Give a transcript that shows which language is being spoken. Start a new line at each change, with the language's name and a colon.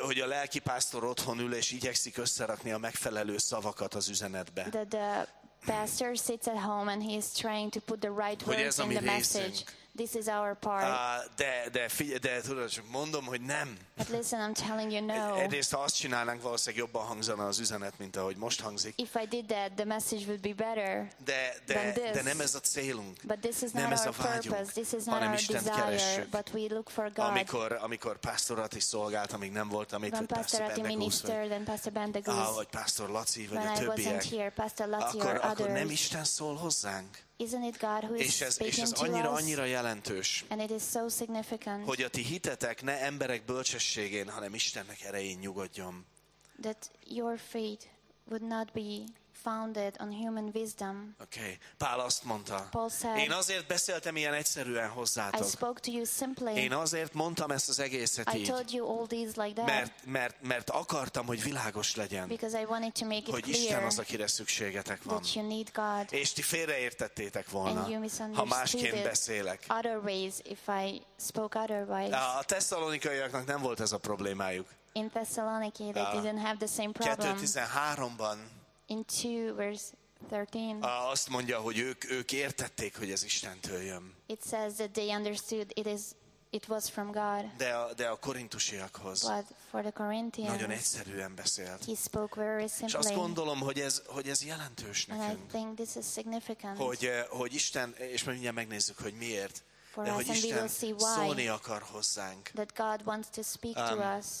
Hungarian: hogy a lelki pásztor otthon ül és igyekszik összerakni a megfelelő szavakat az üzenetbe,
English: that the pastor sits at home and he is trying to put the right words in the message. This is our part.
Hungarian: De tudod, csak mondom, hogy nem.
English: But listen, I'm telling you no.
Hungarian: Egyrészt, ha azt csinálnánk, valószínűleg jobban hangzana az üzenet, mint ahogy most hangzik.
English: If I did that, the message would be better than this.
Hungarian: De nem ez a célunk.
English: But this is not our purpose. This is not our desire. But we look for God.
Hungarian: Amikor pastorati szolgált, amíg nem voltam itt, Pastor Bendegúz, vagy Pastor Laci, vagy a többiek, akkor nem Isten szól hozzánk.
English: Isn't it God who is speaking to us?
Hungarian: És ez annyira jelentős.
English: And it is so significant.
Hungarian: Hogy a ti hitetek ne emberek bölcsességén, hanem Istennek erején nyugodjon.
English: That your faith would not be founded on human wisdom.
Hungarian: Okay. Pál azt mondta.
English: Paul said,
Hungarian: én azért beszéltem ilyen egyszerűen hozzátok.
English: I spoke to you simply.
Hungarian: Én azért mondtam ezt az egészet így.
English: I told you all these like that.
Hungarian: Mert akartam, hogy világos legyen.
English: Because I wanted to make it
Hungarian: hogy
English: clear.
Hungarian: Hogy Isten az, akire szükségetek van.
English: That you need God.
Hungarian: És ti félreértettétek volna.
English: And you misunderstood.
Hungarian: Ha másként beszélek.
English: Other ways if I spoke otherwise.
Hungarian: A tesszalonikaiaknak nem volt ez a problémájuk.
English: In Thessaloniki they didn't have the same problem.
Hungarian: 2:13-ban
English: in 2:13.
Hungarian: Azt mondja, hogy ők értették, hogy ez Istentől jön.
English: It says that they understood it was from God.
Hungarian: De a korintusiakhoz.
English: But for the Corinthians.
Hungarian: Nagyon egyszerűen beszélt.
English: He spoke very simply.
Hungarian: És azt gondolom, hogy ez jelentős nekünk.
English: And I think this is significant.
Hungarian: Hogy Isten, és majd mindjárt megnézzük, hogy miért. De hogy Isten szólni akar hozzánk.
English: That God wants to speak to us.